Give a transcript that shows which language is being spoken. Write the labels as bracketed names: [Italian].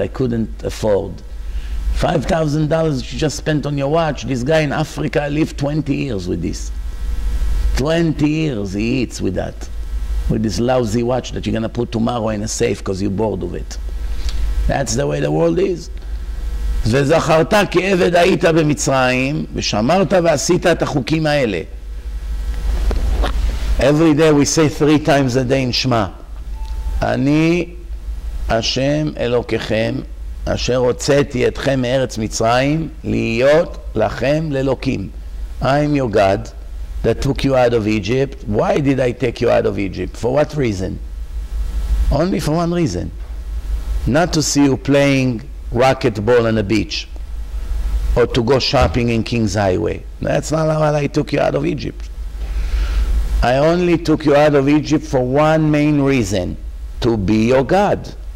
[English] I couldn't afford. $5,000 you just spent on your watch. This guy in Africa lived 20 years with this. 20 years he eats with that. With this lousy watch that you're going to put tomorrow in a safe because you're bored of it. That's the way the world is. [Hebrew] וזכרת כעבד היית במצרים ושמרת ועשית את החוקים האלה. [English] Every day we say three times a day in Shema. [Hebrew] אני השם אלוקיכם אשר הוצאתי אתכם מארץ מצרים להיות לכם ללוקים. [English] I'm your God that took you out of Egypt. Why did I take you out of Egypt? For what reason? Only for one reason. Not to see you playing racquetball on the beach or to go shopping in King's Highway. That's not how I took you out of Egypt. I only took you out of Egypt for one main reason, to be your God.